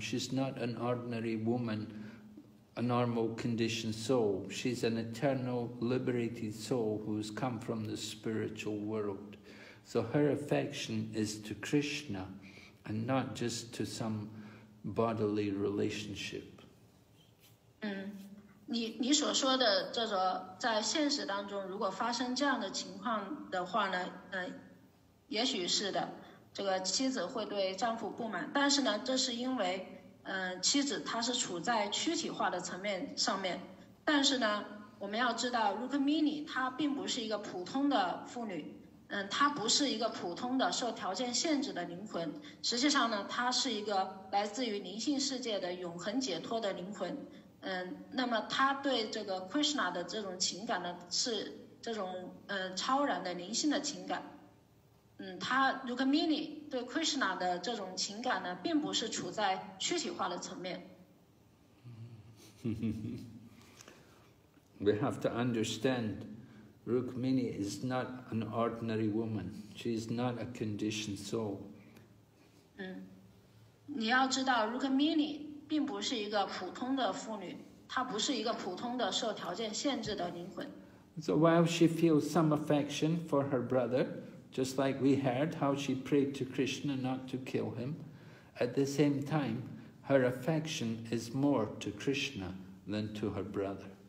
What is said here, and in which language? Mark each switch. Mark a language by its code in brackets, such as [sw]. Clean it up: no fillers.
[en] She's not an ordinary woman, a normal conditioned soul. She's an eternal liberated soul who's come from the spiritual world. So her affection is to Krishna, and not just to some bodily relationship. [zh] 你所说的这个在现实当中如果发生这样的情况的话呢，也许是的，这个妻子会对丈夫不满，但是呢这是因为妻子她是处在躯体化的层面上面，但是呢我们要知道 Rukmini 她并不是一个普通的妇女，她不是一个普通的受条件限制的灵魂，实际上呢她是一个来自于灵性世界的永恒解脱的灵魂。那么她对这个 Krishna 的这种情感呢是这种超然的灵性的情感。她 Rukmini 对 Krishna 的这种情感呢并不是处在躯体化的层面。 [en] We have to understandRukmini is not an ordinary woman. She is not a conditioned soul. [zh] 你要知道 Rukmini 并不是一个普通的妇女，她不是一个普通的受条件限制的灵魂。 [en] So while she feels some affection for her brother, just like we heard how she prayed to Krishna not to kill him, at the same time, her affection is more to Krishna than to her brother.